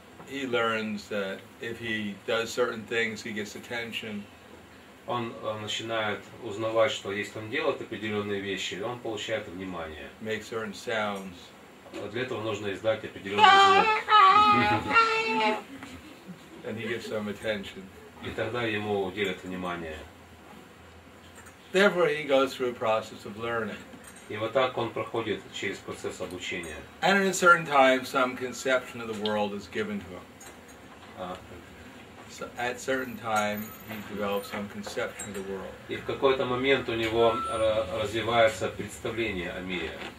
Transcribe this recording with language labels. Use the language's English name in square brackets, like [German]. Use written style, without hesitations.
[English] He learns that if he does certain things, he gets attention. [Russian] Он начинает узнавать, что если он делает определенные вещи, он получает внимание. [English] Make certain sounds. [Russian] Для этого нужно издать определенный звук. [English] And he gives some attention. [Russian] И тогда ему уделят внимание. [English] Therefore, he goes through a process of learning. [Russian] И вот так он проходит через процесс обучения. [English] And at a certain time, some conception of the world is given to him. So at a certain time, he develops some conception of the world. [Russian] И в какой-то момент у него развивается представление о мире.